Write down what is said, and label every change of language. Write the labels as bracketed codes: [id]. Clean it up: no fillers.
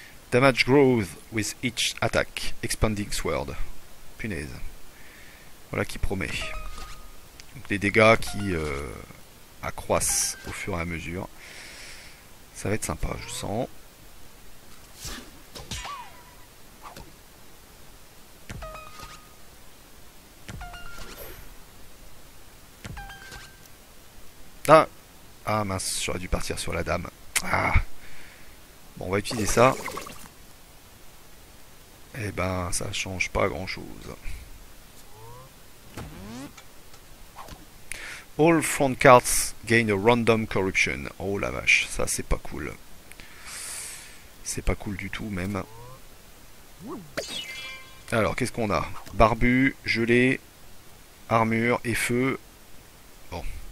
[en] Damage grows with each attack. Expanding sword. [fr] Punaise. Voilà qui promet. Donc des dégâts qui accroissent au fur et à mesure. Ça va être sympa, je sens. Ah, ah mince, j'aurais dû partir sur la dame. Ah. Bon, on va utiliser ça. Eh ben, ça change pas grand chose. [en] All front cards gain a random corruption. [fr] Oh la vache, ça c'est pas cool. C'est pas cool du tout même. Alors, qu'est-ce qu'on a? Barbu, gelé, armure et feu. Bon.